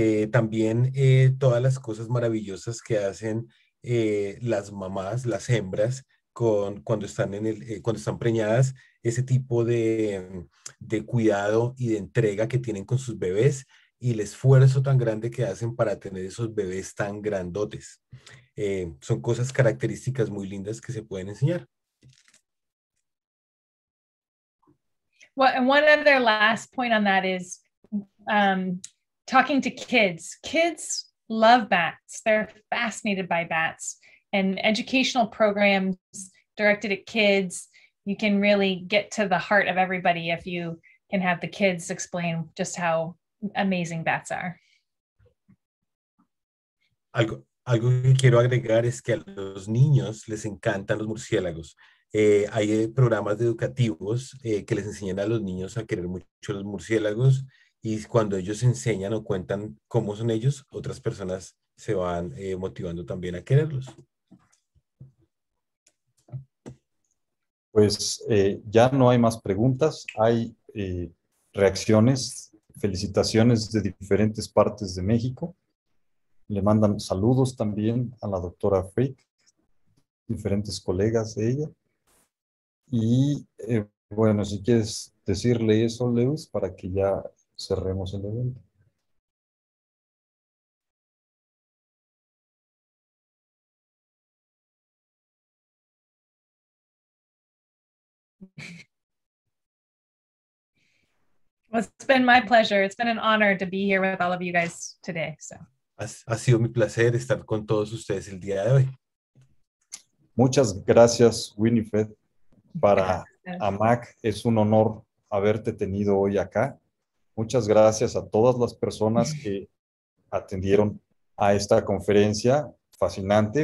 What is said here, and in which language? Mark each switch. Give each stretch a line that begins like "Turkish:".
Spanish: También todas las cosas maravillosas que hacen las mamás, las hembras, cuando están preñadas, ese tipo de cuidado y de entrega que tienen con sus bebés, y el esfuerzo tan grande que hacen para tener esos bebés tan grandotes. Son cosas características muy lindas que se pueden enseñar.
English: Well, and one other last point on that is talking to kids. Kids love bats. They're fascinated by bats. And educational programs directed at kids, you can really get to the heart of everybody if you can have the kids explain just how amazing bats are.
Spanish: Algo que quiero agregar es que a los niños les encantan los murciélagos. Hay programas educativos que les enseñan a los niños a querer mucho los murciélagos, y cuando ellos enseñan o cuentan cómo son ellos, otras personas se van motivando también a quererlos. Pues ya no hay más preguntas, hay reacciones. Felicitaciones de diferentes partes de México. Le mandan saludos también a la doctora Frick, diferentes colegas de ella. Y bueno, si quieres decirle eso, Lewis, para que ya cerremos el evento.
English: Well, it's been my pleasure. It's been an honor to be here with all of you guys today. So.
Spanish: Ha sido mi placer estar con todos ustedes el día de hoy. Muchas gracias, Winifred. Para AMAC es un honor haberte tenido hoy acá. Muchas gracias a todas las personas que atendieron a esta conferencia fascinante.